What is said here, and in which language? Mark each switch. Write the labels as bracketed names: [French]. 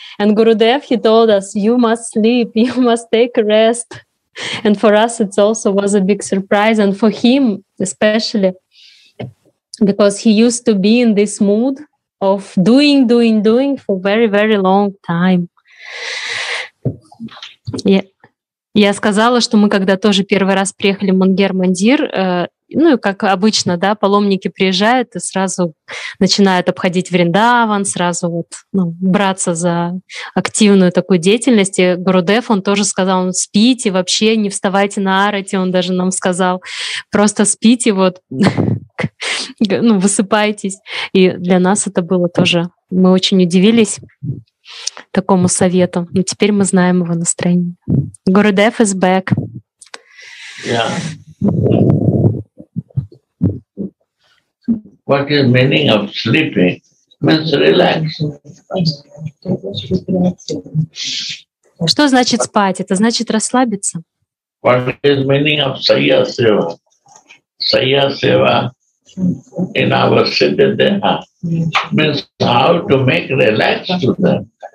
[English] And Gurudev, he told us, you must sleep, you must take a rest. And for us it also was a big surprise, and for him especially, because he used to be in this mood of doing for very, very long time. [Russian] Я сказала, что мы когда тоже первый раз приехали в Мангер-Мандир, ну и как обычно, да, паломники приезжают и сразу начинают обходить Вриндаван, сразу вот, ну, браться за активную такую деятельность. И Гурудев, он тоже сказал, он, спите вообще, не вставайте на арати, он даже нам сказал, просто спите, вот, ну, высыпайтесь. И для нас это было тоже, мы очень удивились такому совету. Но теперь мы знаем его настроение. [English] Gurudev is back. Yeah. What is meaning of sleeping? Means relax. [Russian] Что значит спать? Это значит расслабиться. [English] What is meaning of sayasiva? Sayasiva in our siddhadeha means how to make relax to them.